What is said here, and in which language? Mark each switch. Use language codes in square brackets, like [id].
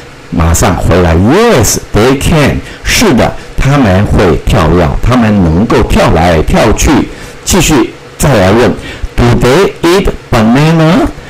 [zh] 马上回来， [en] Yes, they can. [zh] 是的，他们会跳跃，他们能够跳来跳去。继续再来问， [en] Do they eat banana?